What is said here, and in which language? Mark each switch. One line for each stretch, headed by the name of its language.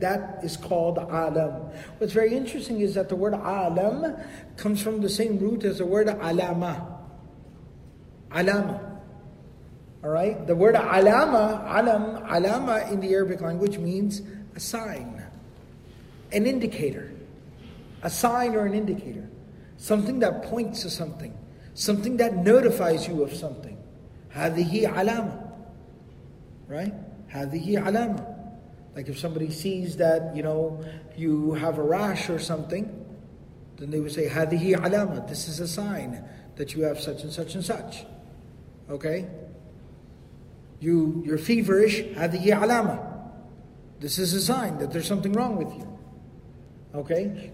English: That is called alam. What's very interesting is that the word alam comes from the same root as the word alama. Alama. All right? The word alama, alam, alama in the Arabic language means a sign, an indicator, a sign or an indicator, something that points to something, something that notifies you of something.
Arabic: هذه علامة, right? هذه علامة.
English: Like if somebody sees that, you know, you have a rash or something, then they would say,
Arabic: هذه علامة,
English: this is a sign that you have such and such and such. Okay? You're feverish,
Arabic: هذه علامة.
English: This is a sign that there's something wrong with you. Okay?